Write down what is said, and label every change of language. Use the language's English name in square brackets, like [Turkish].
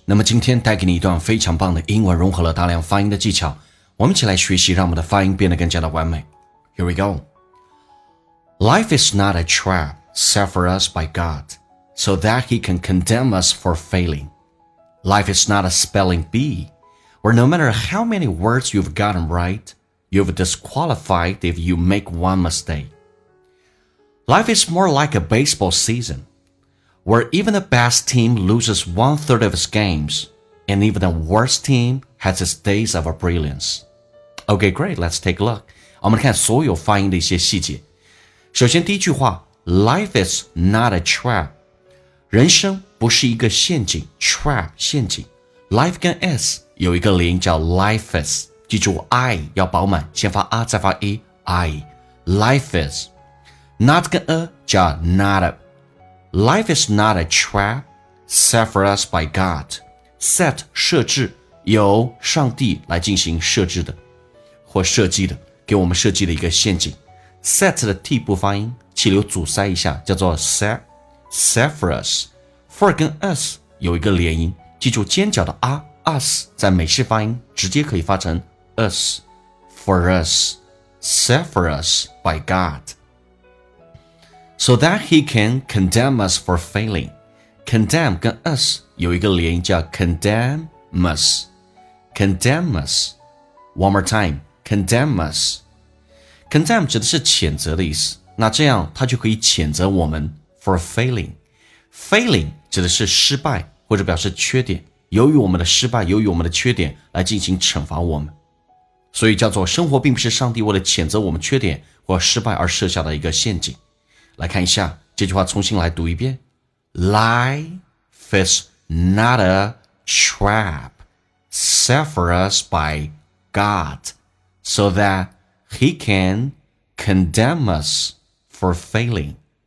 [Chinese] 那么今天带给你一段非常棒的英文，融合了大量发音的技巧，我们一起来学习，让我们的发音变得更加的完美。 [English] Here we go. Life is not a trap set for us by God so that he can condemn us for failing. Life is not a spelling bee where no matter how many words you've gotten right, you've disqualified if you make one mistake. Life is more like a baseball seasonWhere even the best team loses one-third of its games, and even the worst team has its days of brilliance. Okay, great, let's take a look. [Chinese] 我们看所有发音的一些细节。首先第一句话， [English] Life is not a trap. [Chinese] 人生不是一个陷阱， trap, 陷阱。 Life 跟 S 有一个连叫 life is. 记住 I 要饱满，先发 A 再发 E, I. [English] Life is. Not 跟 A 叫 not aLife is not a trap set for us by God. [Chinese] Set, 设置，由上帝来进行设置的或设计的，给我们设计的一个陷阱。 Set 的 T 不发音，气流阻塞一下，叫做 [English] set, set for us. [Chinese] For 跟 us 有一个连音，记住尖角的 R, us, 在美式发音直接可以发成 us, for us, [English] set for us by God. So that he can condemn us for failing. [Chinese] Condemn 跟 us 有一个连音叫 condemn us. [English] Condemn us. One more time. Condemn us. [Chinese] Condemn 指的是谴责的意思。那这样他就可以谴责我们 [English] for failing. [Chinese] Failing 指的是失败或者表示缺点。由于我们的失败，由于我们的缺点来进行惩罚我们。所以叫做生活并不是上帝为了谴责我们缺点或失败而设下的一个陷阱。来看一下这句话，重新来读一遍。 [English] Life is not a trap set for us by God so that he can condemn us for failing.